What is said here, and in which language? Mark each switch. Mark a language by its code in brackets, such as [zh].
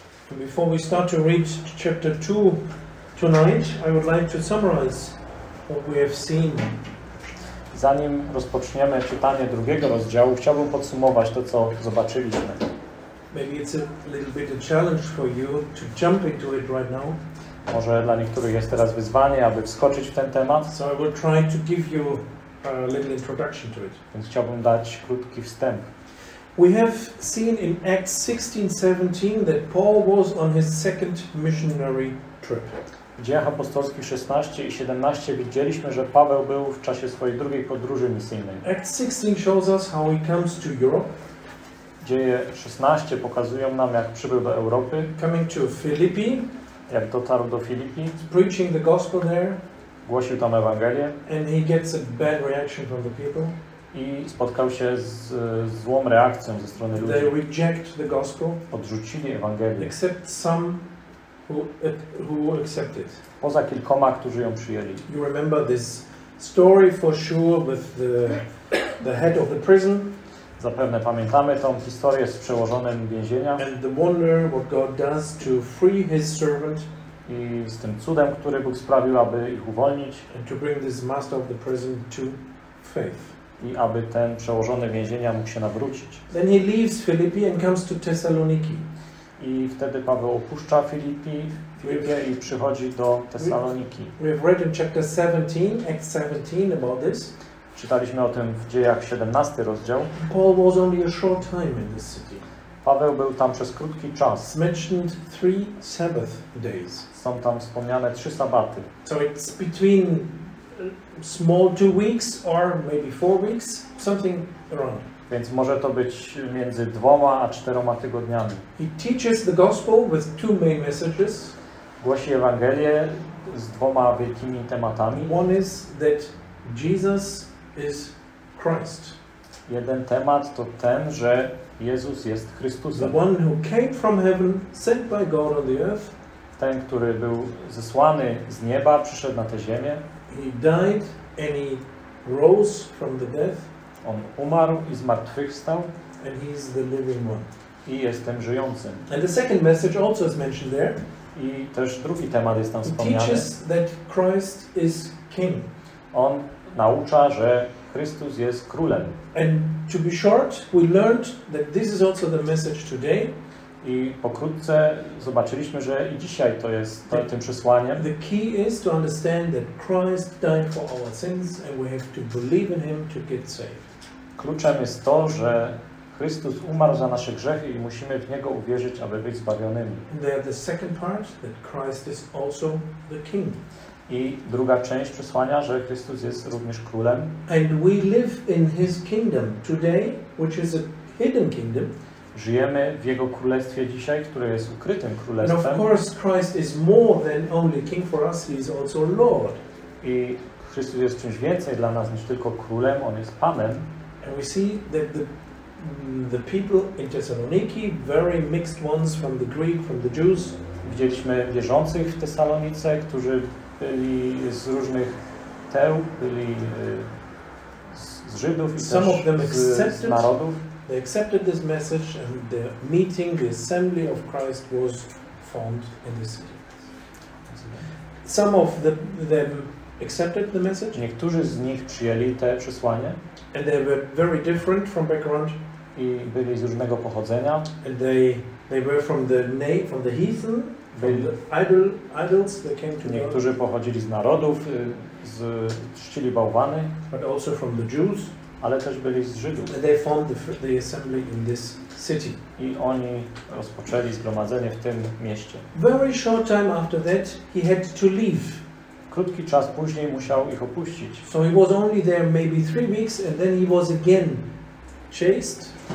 [en] Before we start to read chapter 2 tonight, I would like to summarize what we have seen. [pl] Zanim rozpoczniemy czytanie drugiego rozdziału, chciałbym podsumować to, co zobaczyliśmy. [en] Maybe it's a little bit a challenge for you to jump into it right now. [pl] Może dla niektórych jest teraz wyzwanie, aby wskoczyć w ten temat. [en] So I will try to give you a little introduction to it. [pl] Więc chciałbym dać krótki wstęp. [en] We have seen in Acts 16:17 that Paul was on his second missionary trip. [pl] W Dziejach Apostolskich 16 i 17 widzieliśmy, że Paweł był w czasie swojej drugiej podróży misyjnej. [en] Acts 16 shows us how he comes to Europe. [pl] Dzieje 16 pokazują nam, jak przybył do Europy. [en] Coming to Philippi. [pl] Jak dotarł do Filipii. [en] Preaching the gospel there. [pl] Głosił tam Ewangelię. [en] And he gets a bad reaction from the people. [pl] I spotkał się z złą reakcją ze strony ludzi. [en] They reject the gospel. [pl] Odrzucili Ewangelię. [en] Except some who accepted. [pl] Poza kilkoma, którzy ją przyjęli. [en] You remember this story for sure with the head of the prison. [pl] Zapewne pamiętamy tą historię z przełożonym więzienia. [en] And the wonder what God does to free his servant. [pl] I z tym cudem, który Bóg sprawił, aby ich uwolnić. [en] And to bring this master of the prison to faith. [pl] I aby ten przełożony więzienia mógł się nawrócić. [en] Then he leaves Philippi and comes to Thessaloniki. [pl] I wtedy Paweł opuszcza Filipię i przychodzi do Tesaloniki. [en] We've read in chapter 17, Acts 17 about this. [pl] Czytaliśmy o tym w Dziejach 17 rozdział. [en] Paul was only a short time in this city. [pl] Paweł był tam przez krótki czas. [en] Mentioned three Sabbath days. [pl] Są tam wspomniane trzy sabaty. [en] So it's between small 2 weeks or maybe 4 weeks, something around. [pl] Więc może to być między 2 a 4 tygodniami. [en] He teaches the gospel with 2 main messages. [pl] Głosi Ewangelię z 2 wielkimi tematami. [en] One is that Jesus is Christ. [pl] Jeden temat to ten, że Jezus jest Chrystusem. [en] The one who came from heaven, sent by God on the earth. [pl] Ten, który był zesłany z nieba, przyszedł na tę ziemię. [en] He died and he rose from the dead. [pl] On umarł i zmartwychwstał. [en] And he is the living one. [pl] I jest tym żyjącym. [en] And the second message also is mentioned there. [pl] I też drugi temat jest tam wspomniany. [en] He teaches that Christ is king. [pl] On naucza, że Chrystus jest królem. [en] And to be short, we learned that this is also the message today. [pl] I pokrótce zobaczyliśmy, że i dzisiaj to jest tym przesłaniem. [en] The key is to understand that Christ died for our sins and we have to believe in him to get saved. [pl] Kluczem jest to, że Chrystus umarł za nasze grzechy i musimy w niego uwierzyć, aby być zbawionymi. [en] And the second part, that Christ is also the king. [pl] I druga część przesłania, że Chrystus jest również królem. [en] And we live in his kingdom today, which is a hidden kingdom. [pl] Żyjemy w jego królestwie dzisiaj, które jest ukrytym królestwem. [en] And of course Christ is more than only king for us, he is also Lord. [pl] I Chrystus jest czymś więcej dla nas niż tylko królem, on jest Panem. [en] And we see that the people in Thessaloniki, very mixed ones from the Greek, from the Jews. [pl] Widzieliśmy wierzących w Tesalonice, którzy byli z różnych teł, byli z Żydów i [en] some [pl] też [en] of them [pl] z narodów. [en] They accepted this message and the meeting, the assembly of Christ was formed in the city. Some of them accepted the message. [pl] Niektórzy z nich przyjęli te przesłanie. [en] And they were very different from background. [pl] I byli z różnego pochodzenia. [en] And they were from the heathen, from the idols that came to. [pl] Niektórzy pochodzili z narodów, z czcili bałwany. [en] But also from the Jews. [pl] Ale też byli z Żydów. [en] And they formed the assembly in this city. [pl] I oni rozpoczęli zgromadzenie w tym mieście. [en] Very short time after that, he had to leave. [pl] Krótki czas później musiał ich opuścić. [en] So he was only there maybe 3 weeks and then he was again chased.